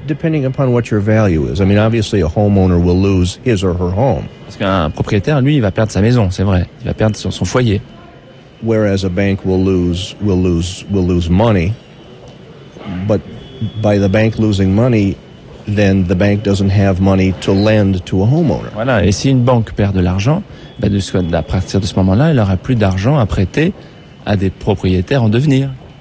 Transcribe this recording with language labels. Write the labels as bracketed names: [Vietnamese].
[English] Depending upon what your value is. I mean, obviously, a homeowner will lose his or her home. [French] Parce qu'un propriétaire, lui, il va perdre sa maison, c'est vrai. Il va perdre son foyer. [English] Whereas a bank will lose money. But by the bank losing money, then the bank doesn't have money to lend to a homeowner. [French] Voilà. Et si une banque perd de l'argent, à partir de ce moment-là, elle aura plus d'argent à prêter à des propriétaires en devenir.